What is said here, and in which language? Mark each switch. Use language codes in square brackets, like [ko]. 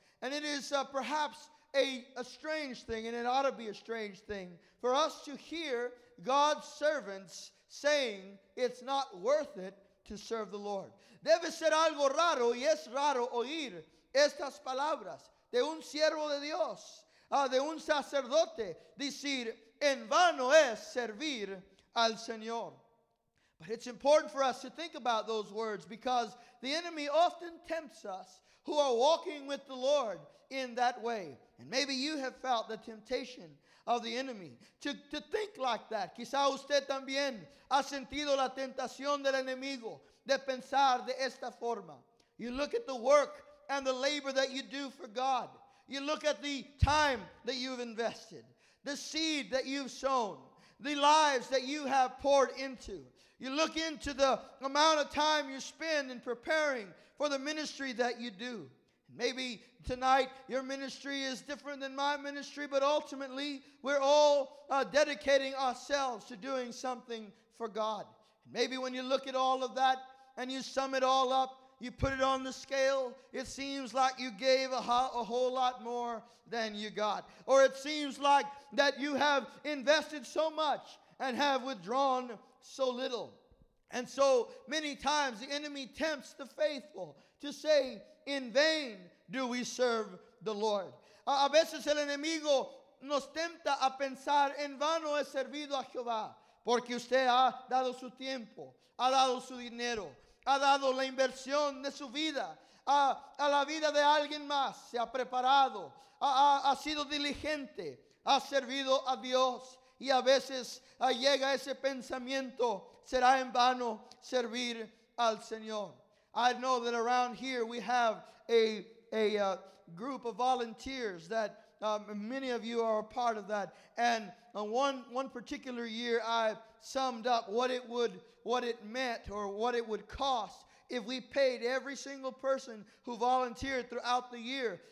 [en] And it is perhaps a strange thing, and it ought to be a strange thing, for us to hear God's servants saying it's not worth it to serve the Lord. [es] Debe ser algo raro, y es raro oír estas palabras de un siervo de Dios, de un sacerdote, decir, en vano es servir al Señor. [en] But it's important for us to think about those words, because the enemy often tempts us who are walking with the Lord in that way. And maybe you have felt the temptation of the enemy to think like that. [es] Quizá usted también ha sentido la tentación del enemigo de pensar de esta forma. [en] You look at the work and the labor that you do for God. You look at the time that you've invested, the seed that you've sown, the lives that you have poured into. You look into the amount of time you spend in preparing for the ministry that you do. Maybe tonight your ministry is different than my ministry, but ultimately we're all dedicating ourselves to doing something for God. And maybe when you look at all of that and you sum it all up, you put it on the scale, it seems like you gave a whole lot more than you got. Or it seems like that you have invested so much and have withdrawn so little. And so many times the enemy tempts the faithful to say, in vain do we serve the Lord. [es] A veces el enemigo nos tenta a pensar, en vano he servido a Jehová, porque usted ha dado su tiempo, ha dado su dinero, ha dado la inversión de su vida a la vida de alguien más, se ha preparado, ha sido diligente, ha servido a Dios. Y a veces llega ese pensamiento, será en vano servir al Señor. [en] I know that around here we have a group of volunteers that many of you are a part of that. And one particular year I summed up what it meant or what it would cost if we paid every single person who volunteered throughout the year.